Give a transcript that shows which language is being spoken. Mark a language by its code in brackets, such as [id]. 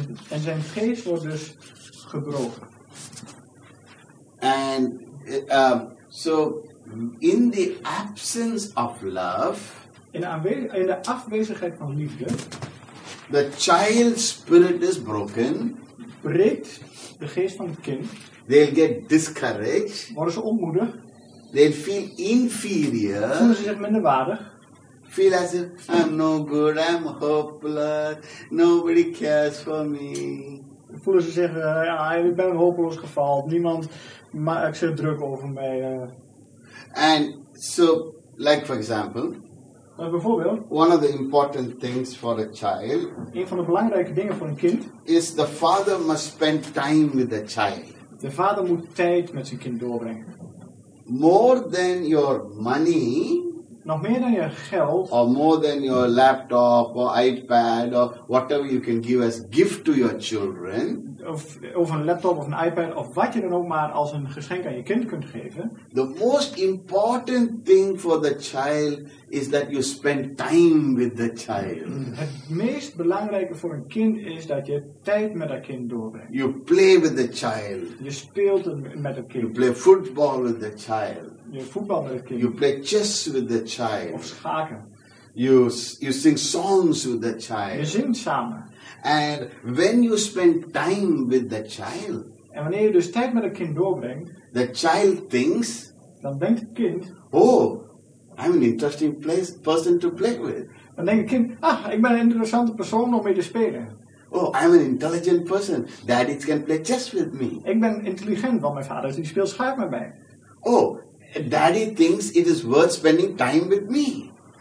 [nl] En zijn geest wordt dus gebroken. [en] And so in the absence of love, [nl] in de afwezigheid van liefde, [en] the child's spirit is broken. [nl] Breekt de geest van het kind. [en] They'll get discouraged. [nl] Worden ze ontmoedigd. [en] They'll feel inferior. [nl] Voelen ze zich minder waardig. [en] Feel as if I'm no good, I'm hopeless, nobody cares for me. [nl] Voelen ze zich, ja, ik ben een hopeloos geval, niemand maakt zich druk over mij. [en] And so, like for example. [nl] Bijvoorbeeld. [en] One of the important things for a child. [nl] Een van de belangrijke dingen voor een kind. [en] Is the father must spend time with the child. [nl] De vader moet tijd met zijn kind doorbrengen. [en] More than your money. [nl] Nog meer dan je geld. [en] Or more than your laptop or iPad or whatever you can give as gift to your children. [nl] Of een laptop of een iPad of wat je dan ook maar als een geschenk aan je kind kunt geven. [en] The most important thing for the child is that you spend time with the child. [nl] Het meest belangrijke voor een kind is dat je tijd met dat kind doorbrengt. [en] You play with the child. [nl] Je speelt met het kind. [en] You play football with the child. [nl] Je voetbal met het kind. [en] You play chess with the child. [nl] Of schaken. [en] You sing songs with the child. [nl] Je zingt samen. [en] And when you spend time with the child. [nl] En wanneer je dus tijd met het kind doorbrengt. [en] The child thinks. [nl] Dan denkt het kind. [en] Oh, I'm an interesting person to play with. [nl] Dan denkt het kind. Ah, ik ben een interessante persoon om mee te spelen. [en] Oh, I'm an intelligent person. Daddy can play chess with me. [nl] Ik ben intelligent, want mijn vader is die speelt schaak met mij. [en] Oh, Daddy thinks it is worth spending time with me.